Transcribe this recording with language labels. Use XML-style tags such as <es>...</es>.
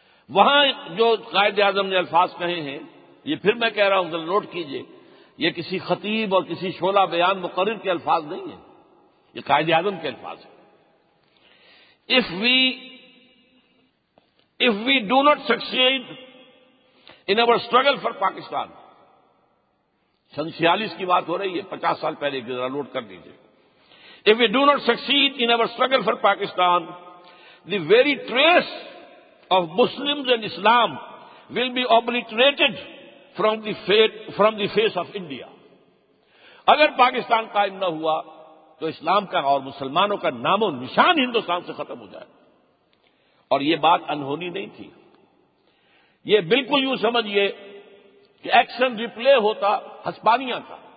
<ur>وہاں جو قائد اعظم نے الفاظ کہے ہیں، یہ پھر میں کہہ رہا ہوں، ذرا نوٹ کیجئے، یہ کسی خطیب اور کسی شعلہ بیان مقرر کے الفاظ نہیں ہیں، یہ قائد اعظم کے الفاظ ہیں.</ur> <en>If we do not succeed in our struggle for Pakistan,</en> <ur>1946 کی بات ہو رہی ہے، 50 سال پہلے، ذرا نوٹ کر دیجئے.</ur> <en>If we do not succeed in our struggle for Pakistan, the very trace of Muslims and Islam will be obliterated from the face of India.</en> <ur>اگر پاکستان قائم نہ ہوا تو اسلام کا اور مسلمانوں کا نام و نشان ہندوستان سے ختم ہو جائے. اور یہ بات انہونی نہیں تھی، یہ بالکل یوں سمجھئے کہ ایکشن ریپلے ہوتا ہسپانیہ کا.</ur>